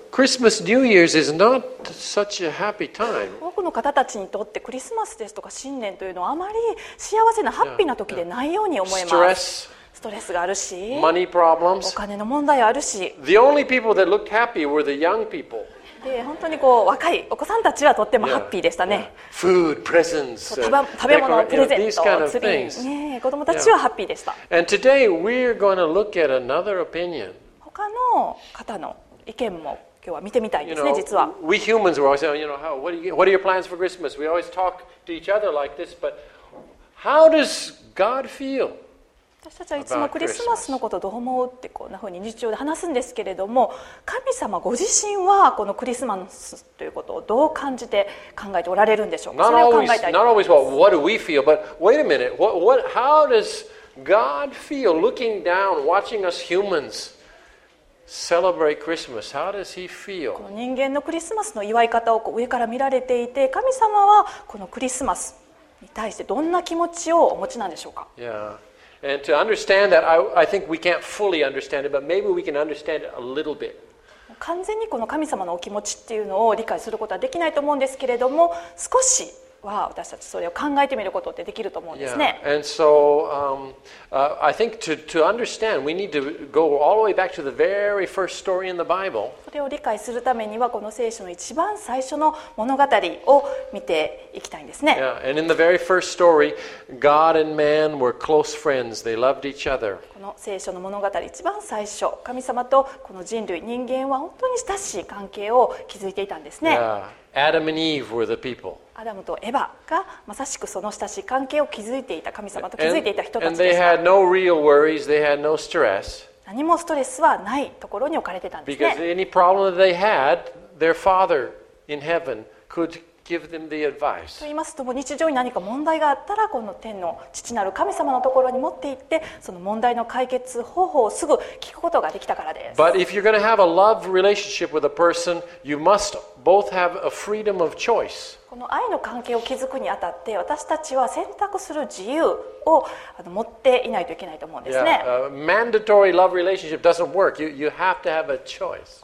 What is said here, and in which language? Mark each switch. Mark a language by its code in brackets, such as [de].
[en] Christmas, New Year's is not such a happy time. [ja] 多くの方たちにとってクリスマスですとか新年というのはあまり幸せな、ハッピーな時でないように思えます。ストレスがあるし、 [en] Money problems. [ja] お金の問題あるし。 [en] The only people that looked happy were the young people. [ja] で本当にこう若いお子さんたちはとってもハッピーでしたね。 [en] Food, presents, [ja] 食べ物、プレゼント、ツリー、ね、子供たちはハッピーでした。 [en] And today we're going to look at another opinion. [ja] 他の方の意見も今日は見てみたいですね。実は [en] We humans were always saying, you know, what are your plans for Christmas? We always talk to each other like this, but how does God feel about Christmas? [ja] 私たちはいつもクリスマスのことどう思うってこんな風に日常で話すんですけれども、神様ご自身はこのクリスマスということをどう感じて考えておられるんでしょうか。それを考えたいと思います [en] 。 Not always what do we feel, but wait a minute, how does God feel looking down, watching us humans celebrate Christmas. How does he feel? [ja] この人間のクリスマスの祝い方をこう上から見られていて、神様はこのクリスマスに対してどんな気持ちをお持ちなんでしょうか？ [en] Yeah. And to understand that, I think we can't fully understand it, but maybe we can understand it a little bit. [ja] 完全にこの神様のお気持ちっていうのを理解することはできないと思うんですけれども、少し。わあ、私たちそれを考えてみることってできると思うんですね。 [en] Yeah. And so, I think to understand, we need to go all the way back to the very first story in the Bible. [ja] それを理解するためには、この聖書の一番最初の物語を見ていきたいんですね。 [en] Yeah. And in the very first story, God and man were close friends. They loved each other. [ja] この聖書の物語、一番最初、神様とこの人類、人間は本当に親しい関係を築いていたんですね。 [en] Yeah. Adam and Eve were the people. [ja] アダムとエヴァがまさしくその親しい関係を築いていた、神様と築いていた人たちです。 [en] They had no real worries, they had no stress. [ja] 何もストレスはないところに置かれてたんですね。 [en] Because any problem that they had, their father in heaven could give them the advice. [ja] と言いますと、日常に何か問題があったら、この天の父なる神様のところに持って行って、その問題の解決方法をすぐ聞くことができたからです。 [en] But if you're going to have a love relationship with a person, you mustBoth have a freedom of choice. [ja] この愛の関係を築くにあたって、私たちは選択する自由を持っていないといけないと思うんですね。 [en] Yeah, a mandatory love relationship doesn't work. You have to have a choice.